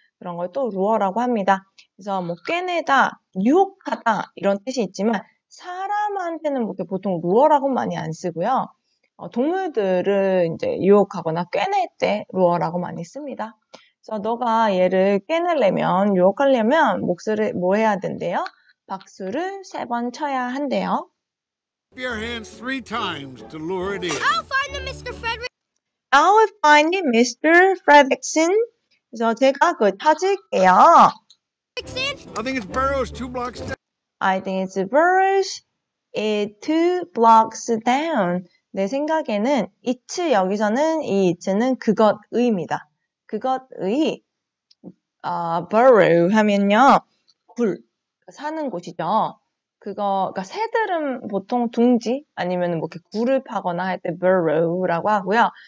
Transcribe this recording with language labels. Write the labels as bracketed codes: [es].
[ko] 그런 걸 또 루어라고 합니다. 그래서 뭐 꿰내다, 유혹하다 이런 뜻이 있지만 사람한테는 보통 루어라고 많이 안 쓰고요. 동물들을 이제 유혹하거나 꿰낼 때 루어라고 많이 씁니다. 그래서 너가 얘를 꿰내려면, 유혹하려면 몫을 뭐 해야 된대요? 박수를 세번 쳐야 한대요. [en] Clap your hands three times to lure it in. I'll find him, Mr. Frederick. I'll find him, Mr. Fredrickson. [ko] 그래서 제가 그 찾을게요. [en] I think it's Burrows two blocks down. I think it's Burrows it two blocks down. [ko] 내 생각에는 it 여기서는 이 it는 그것의입니다. 그것의 Burrow 하면요 굴 사는 곳이죠. 그거 그러니까 새들은 보통 둥지 아니면 뭐 이렇게 굴을 파거나 할때 Burrow라고 하고요.